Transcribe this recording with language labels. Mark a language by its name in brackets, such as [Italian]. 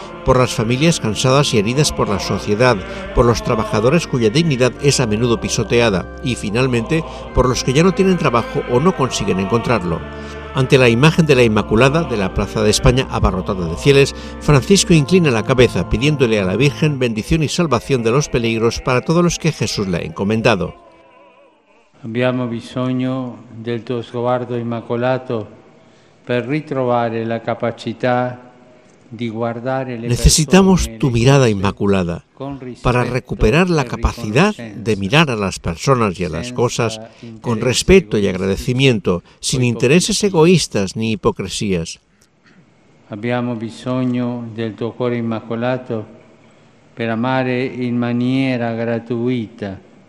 [Spanish] Por las familias cansadas y heridas por la sociedad, por los trabajadores cuya dignidad es a menudo pisoteada, y finalmente, por los que ya no tienen trabajo o no consiguen encontrarlo. Ante la imagen de la Inmaculada, de la Plaza de España abarrotada de fieles, Francisco inclina la cabeza pidiéndole a la Virgen bendición y salvación de los peligros para todos los que Jesús le ha encomendado. [Italian] Abbiamo bisogno del tuo sguardo immacolato per ritrovare la capacità di guardare le persone. [Spanish] Necesitamos tu mirada inmaculada para recuperar la capacidad de mirar a las personas y a las cosas con respeto y agradecimiento, sin intereses egoístas ni hipocresías. [Italian] Abbiamo bisogno del tuo cuore immacolato per amare in maniera gratuita.